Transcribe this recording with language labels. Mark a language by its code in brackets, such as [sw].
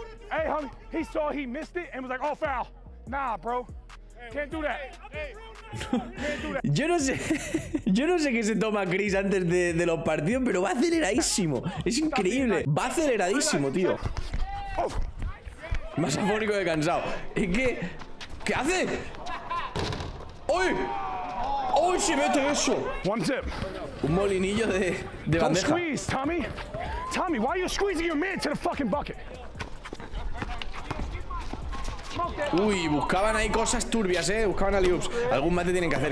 [en] Hey, homie, he saw he missed it and was like, "Oh, foul." Nah, bro. Can't do that. [es] Yo no sé. Yo no sé qué se toma Chris antes de los partidos, pero va aceleradísimo. Es increíble. Va aceleradísimo, tío. Más afónico de cansado. ¿Y qué? ¿Qué hace? ¡Uy! ¡Uy, se mete eso! [en] One tip. [es] Un molinillo de bandeja. [en] Don't squeeze, Tommy. Tommy, why are you squeezing your man to the fucking bucket? [es] Uy, buscaban ahí cosas turbias, ¿eh? Buscaban a Liups. Algún mate tienen que hacer.